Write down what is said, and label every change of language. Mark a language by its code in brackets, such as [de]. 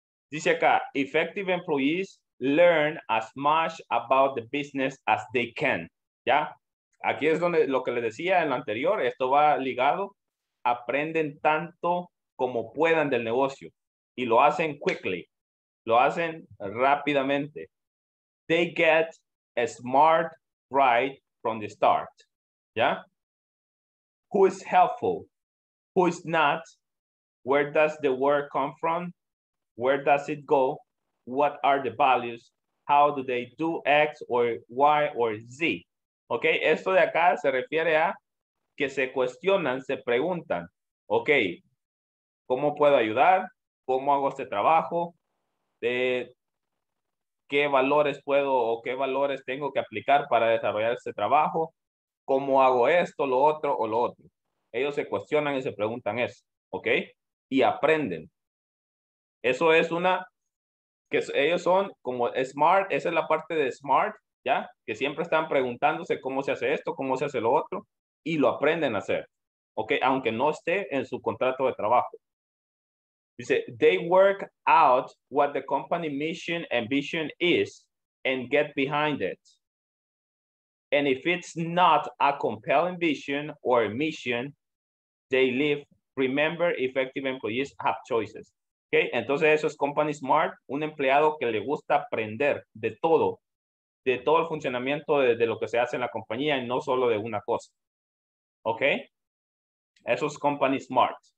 [es] Dice acá, [en] effective employees learn as much about the business as they can. ¿Ya? [es] Aquí es donde lo que les decía en lo anterior, esto va ligado, aprenden tanto como puedan del negocio y lo hacen quickly, lo hacen rápidamente. [en] They get a smart right from the start. ¿Ya? Who is helpful? Who is not? Where does the work come from? Where does it go? What are the values? How do they do X or Y or Z? [es] Ok, esto de acá se refiere a que se cuestionan, se preguntan, ok, ¿cómo puedo ayudar? ¿Cómo hago este trabajo? ¿Qué valores puedo o qué valores tengo que aplicar para desarrollar este trabajo? ¿Cómo hago esto, lo otro o lo otro? Ellos se cuestionan y se preguntan eso, ok, y aprenden. Eso es una, que ellos son como smart, esa es la parte de smart. ¿Ya? Que siempre están preguntándose cómo se hace esto, cómo se hace lo otro, y lo aprenden a hacer, ¿ok? Aunque no esté en su contrato de trabajo. [en] Dice, they work out what the company mission and vision is and get behind it. And if it's not a compelling vision or a mission, they leave. Remember, effective employees have choices. ¿Ok? [es] Entonces eso es company smart, un empleado que le gusta aprender de todo, de todo el funcionamiento de lo que se hace en la compañía y no solo de una cosa. ¿Ok? Eso es company smart.